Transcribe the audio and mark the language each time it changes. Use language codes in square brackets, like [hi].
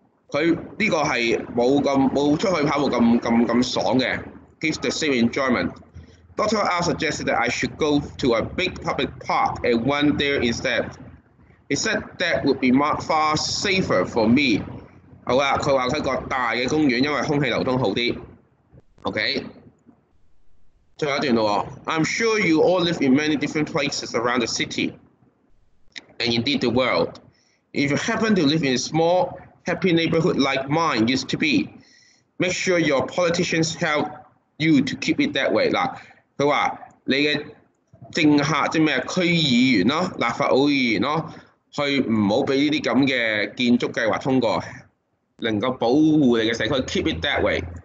[yue] 佢呢個係冇出去跑步咁爽嘅。 [en] Gives the same enjoyment. Doctor R suggested that I should go to a big public park and run there instead. He said that would be far safer for me. [yue] 好啦，佢話喺個大嘅公園，因為空氣流通好啲。 OK， 最後一段咯。 [en] I'm sure you all live in many different places around the city, and indeed the world. If you happen to live in a small, happy neighborhood like mine used to be, make sure your politicians help. You to keep it that way. [yue] 他說你的政客即是區議員立法會議員去不要讓這些這建築計劃通過能夠保護你的社區 [en] keep it that way.